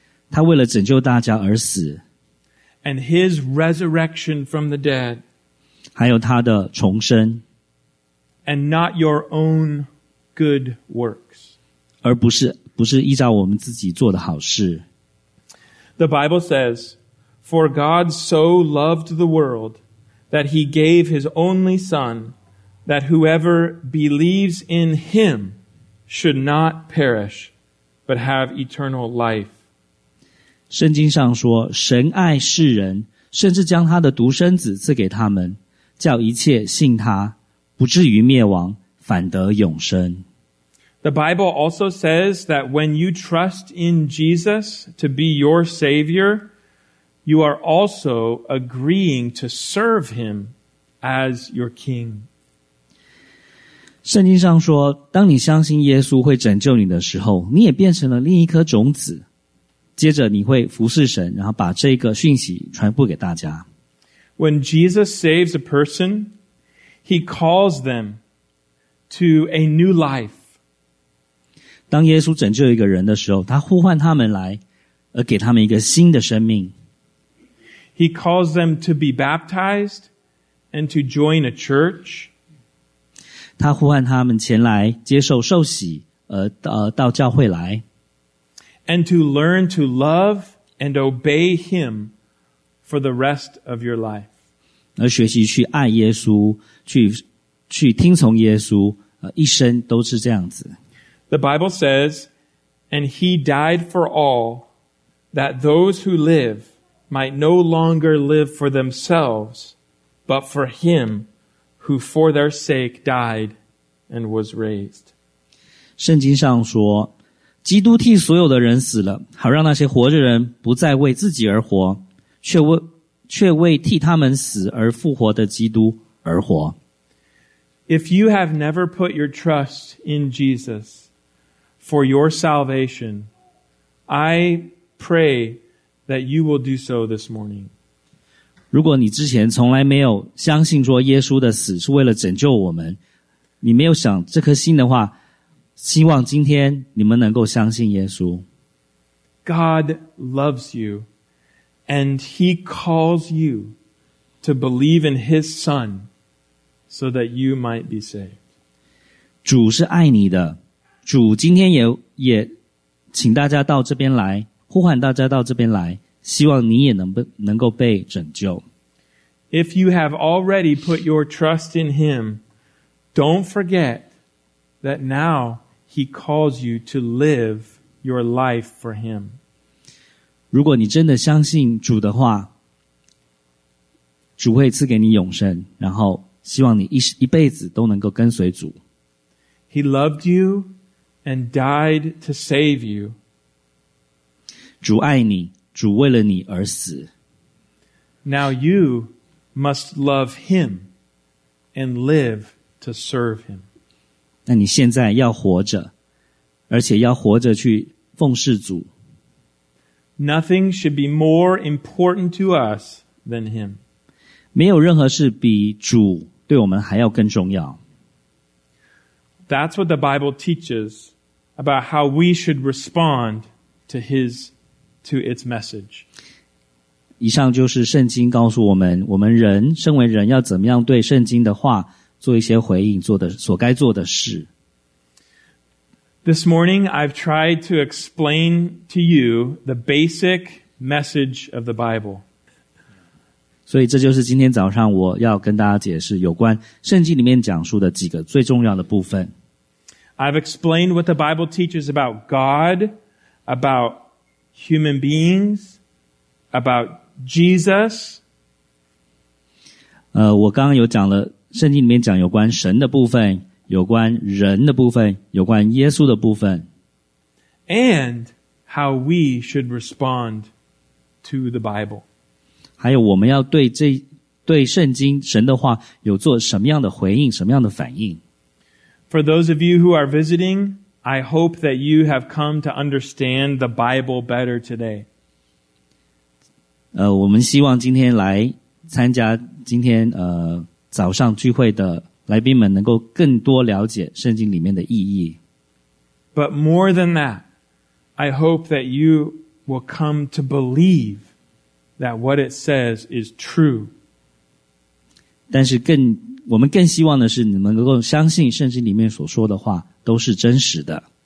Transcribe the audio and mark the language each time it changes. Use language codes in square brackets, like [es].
[zh] 他为了拯救大家而死。 [en] And his resurrection from the dead. [zh] 还有他的重生。 [en] And not your own good works. [zh] 而不是依照我们自己做的好事。 [en] The Bible says, For God so loved the world that he gave his only son that whoever believes in him,should not perish, but have eternal life. [zh] 圣经上说，神爱世人，甚至将他的独生子赐给他们，叫一切信他，不至于灭亡，反得永生。 [en] The Bible also says that when you trust in Jesus to be your Savior, you are also agreeing to serve him as your King. [zh] 圣经上说，当你相信耶稣会拯救你的时候，你也变成了另一颗种子。接着你会服侍神，然后把这个讯息传播给大家。 [en] When Jesus saves a person, he calls them to a new life. [zh] 当耶稣拯救一个人的时候，他呼唤他们来，而给他们一个新的生命。 [en] He calls them to be baptized and to join a church. [zh] 他呼唤他们前来接受受洗，到教会来。 [en] And to learn to love and obey him for the rest of your life. [zh] 而学习去爱耶稣，去听从耶稣，一生都是这样子。 [en] The Bible says, and he died for all, that those who live might no longer live for themselves, but for him who for their sake died and was raised. [zh] 圣经上说，基督替所有的人死了，好让那些活着人不再为自己而活，却为替他们死而复活的基督而活。 [en] If you have never put your trust in Jesus for your salvation, I pray that you will do so this morning. [zh] 如果你之前从来没有相信说耶稣的死是为了拯救我们，你没有想这颗心的话，希望今天你们能够相信耶稣。 [en] God loves you, and he calls you to believe in his son so that you might be saved. [zh] 主是爱你的，主今天也请大家到这边来，呼唤大家到这边来，希望你也能够被拯救。 [en] If you have already put your trust in him, don't forget that now he calls you to live your life for him. [zh] 如果你真的相信主的话，主会赐给你永生，然后希望你一辈子都能够跟随主。 [en] He loved you and died to save you. [zh] 主爱你，主为了你而死。 [en] Now you must love him and live to serve him. [zh] 那你现在要活着，而且要活着去奉事主。 [en] Nothing should be more important to us than him. [zh] 没有任何事比主对我们还要更重要。 [en] That's what the Bible teaches about how we should respond to its message. [zh] 以上就是圣经告诉我们，我们人，身为人要怎么样对圣经的话做一些回应，所该做的事。 [en] This morning, I've tried to explain to you the basic message of the Bible. [zh] 所以这就是今天早上我要跟大家解释有关圣经里面讲述的几个最重要的部分。 [en] I've explained what the Bible teaches about God, about human beings, about Jesus. [zh] 我刚刚有讲了圣经里面讲有关神的部分，有关人的部分，有关耶稣的部分。 [en] And how we should respond to the Bible. [zh] 还有我们要对圣经神的话有做什么样的回应，什么样的反应。 [en] For those of you who are visiting, I hope that you have come to understand the Bible better today. [zh] 我们希望今天来参加今天早上聚会的来宾们能够更多了解圣经里面的意义。 [en] But more than that, I hope that you will come to believe. That what it says is true. [zh] 但是我们更希望的是你们能够相信圣经里面所说的话都是真实的。